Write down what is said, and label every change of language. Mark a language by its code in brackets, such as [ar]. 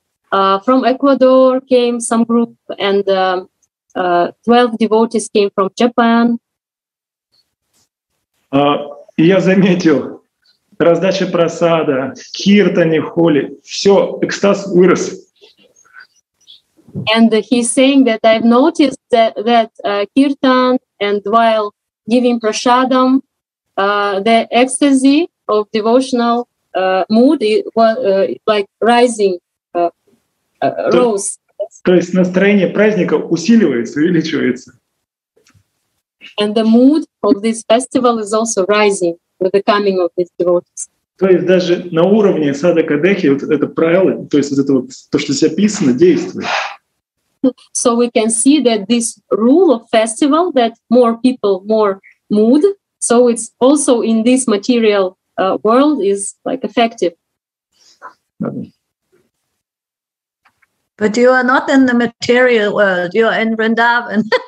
[en] From Ecuador came some group, and 12 devotees came from Japan. [ru] Я заметил, раздача просада, киртани, холи, все, экстаз вырос. [en] And he's saying that I've noticed that kirtan and while giving prasadam, the ecstasy of devotional mood was like rising, rose. [ru] То есть настроение праздника усиливается, увеличивается. [en] And the mood of this festival is also rising with the coming of these devotees. [ru] То есть даже на уровне садака дехи вот это правило, то есть вот это вот то, что здесь описано, действует. [en] So we can see that this rule of festival, that more people, more mood, so it's also in this material world is like effective. But you are not in the material world, you are in Vrindavan.